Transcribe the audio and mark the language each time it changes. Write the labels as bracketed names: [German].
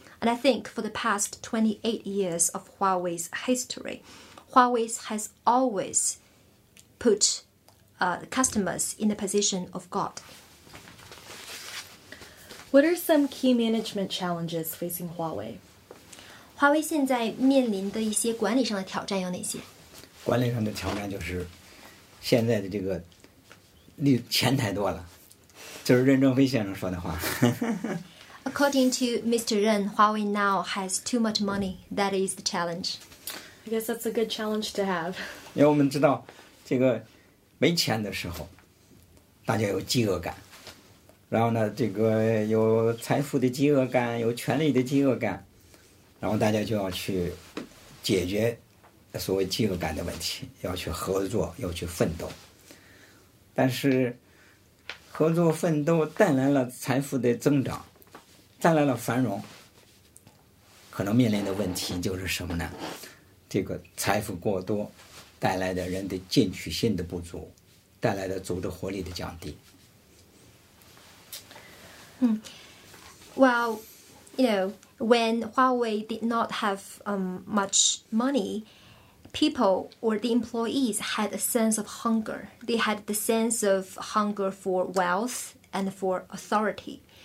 [English] And I think for the past 28 years of Huawei's history, Huawei has always put customers in the position of God. What are some key management challenges facing Huawei? [Chinese] 华为现在面临的一些管理上的挑战有哪些？管理上的挑战就是现在的这个钱太多了，就是任正非先生说的话。 [English] According to Mr. Ren, Huawei now has too much money. That is the challenge. I guess that's a good challenge to have. [Chinese] 因为我们知道，这个没钱的时候，大家有饥饿感，然后呢，这个有财富的饥饿感，有权力的饥饿感。然后大家就要去解决所谓饥饿感的问题，要去合作，要去奋斗。但是合作奋斗带来了财富的增长，带来了繁荣，可能面临的问题就是什么呢？这个财富过多带来的人的进取心的不足，带来的组织活力的降低。 [English] Well, you know,When Huawei did not have much money, people or the employees had a sense of hunger. They had the sense of hunger for wealth and for authority.